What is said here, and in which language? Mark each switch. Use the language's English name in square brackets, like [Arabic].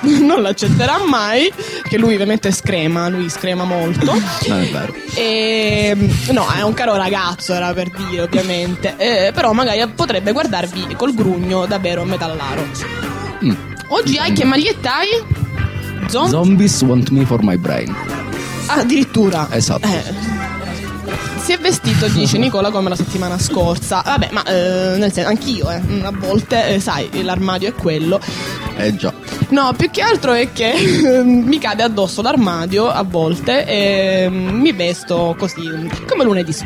[Italian] Non l'accetterà mai, che lui ovviamente screma, lui screma molto. No, è vero. E, no, è un caro ragazzo, era per dire, ovviamente. Però magari potrebbe guardarvi col grugno davvero metallaro. Oggi hai che maglietta hai? [English] Zombies want me for my brain. [Italian] Addirittura. Esatto. Si è vestito, dice Nicola, come la settimana scorsa. Vabbè, ma nel senso, anch'io, a volte, sai, l'armadio è quello. Eh già. No, più che altro è che mi cade addosso l'armadio a volte e mi vesto così, come lunedì.